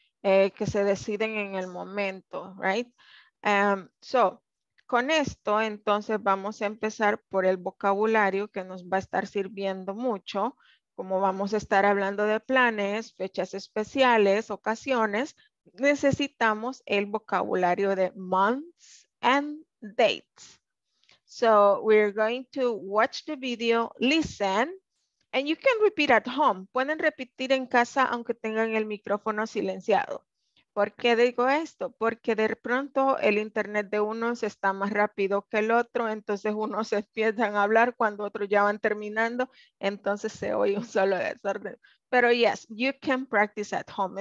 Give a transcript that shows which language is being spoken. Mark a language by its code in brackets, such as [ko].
[es] Que se deciden en el momento, right? So, con esto, entonces vamos a empezar por el vocabulario que nos va a estar sirviendo mucho, como vamos a estar hablando de planes, fechas especiales, ocasiones, necesitamos el vocabulario de months and dates. [en] So, we're going to watch the video, listen, and you can repeat at home. [es] Pueden repetir en casa aunque tengan el micrófono silenciado. ¿Por qué digo esto? Porque de pronto el internet de unos está más rápido que el otro. Entonces unos empiezan a hablar cuando otros ya van terminando. Entonces se oye un solo desorden. Pero [en] yes, you can practice at home.